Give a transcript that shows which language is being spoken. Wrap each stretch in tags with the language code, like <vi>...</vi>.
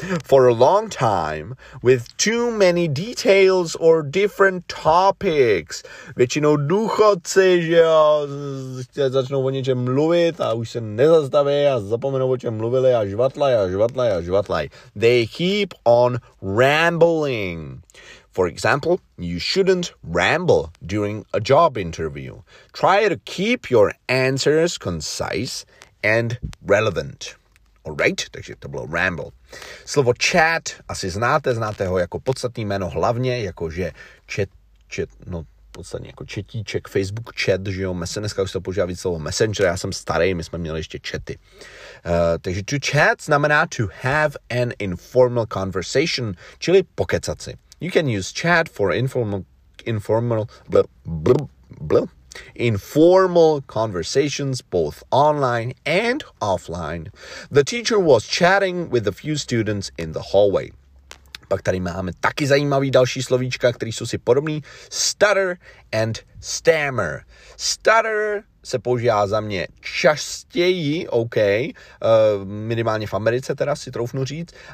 <en>For a long time, with too many details or different topics.</en> <cs>Většinou důchodci, že jo, začnou o něčem mluvit a už se nezastaví a zapomenou, o čem mluvili a žvatlaj a žvatlaj a žvatlaj.</cs> <en>They keep on rambling. For example, you shouldn't ramble during a job interview. Try to keep your answers concise and relevant. All right,</en> <cs>takže to bylo ramble. Slovo chat asi znáte ho jako podstatný jméno, hlavně jakože chat, no podstatně jako chatíček, Facebook chat, že jo, dneska už se to používá víc slovo messenger, já jsem starý, my jsme měli ještě chaty. Takže to chat znamená</cs> <en>to have an informal conversation,</en> <cs>čili pokecat si.</cs> <en>You can use chat for informal conversations both online and offline. The teacher was chatting with a few students in the hallway.</en> <cs>Pak tady máme taky zajímavý další slovíčka, které jsou si podobný. Stutter and stammer. Stutter se používá za mě častěji, OK, minimálně v Americe teda si troufnu říct.</cs>